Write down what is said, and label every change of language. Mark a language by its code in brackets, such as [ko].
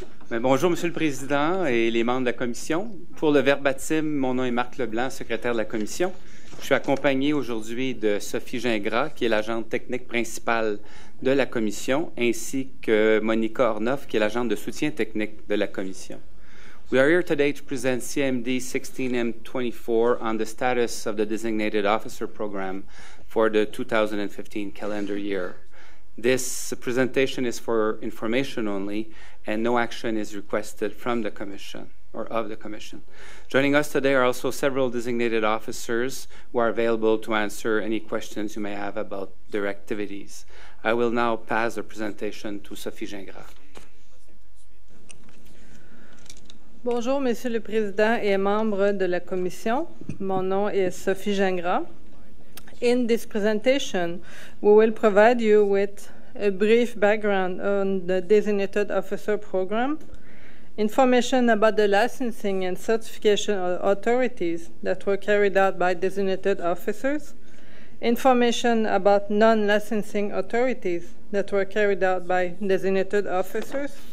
[fr] Mais bonjour, Monsieur le Président et les membres de la Commission. Pour le verbatim, mon nom est Marc Leblanc, secrétaire de la Commission. Je suis accompagné aujourd'hui de Sophie Gingras, qui est l'agente technique principale de la Commission, ainsi que Monica Ornoff, qui est l'agente de soutien technique de la Commission. [en] We are here today to present CMD 16M24 on the status of the designated officer program for the 2015 calendar year. This presentation is for information only, and no action is requested from the Commission or of the Commission. Joining us today are also several designated officers who are available to answer any questions you may have about their activities. I will now pass the presentation to Sophie Gingras. [fr] Bonjour, Monsieur le Président et membres de la Commission. Mon nom est Sophie Gingras. [en] In this presentation, we will provide you with a brief background on the Designated Officer Program, information about the licensing and certification authorities that were carried out by designated officers, information about non-licensing authorities that were carried out by designated officers,